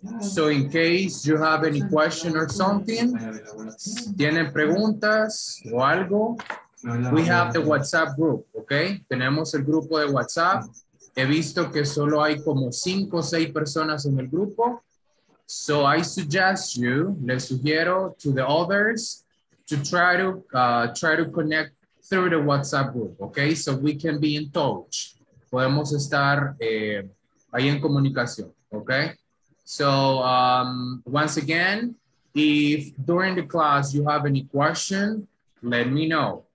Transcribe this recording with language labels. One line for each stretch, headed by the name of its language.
English: So in case you have any question or something,
Spanish: tienen preguntas o algo,
English: we have the WhatsApp group, okay?
Spanish: Tenemos el grupo de WhatsApp. He visto que solo hay como 5 o 6 personas en el grupo.
English: So I suggest you,
Spanish: le sugiero
English: to the others to try to connect through the WhatsApp group, okay? So we can be in touch.
Spanish: Podemos estar ahí en comunicación,
English: okay? So once again, if during the class you have any question, let me know.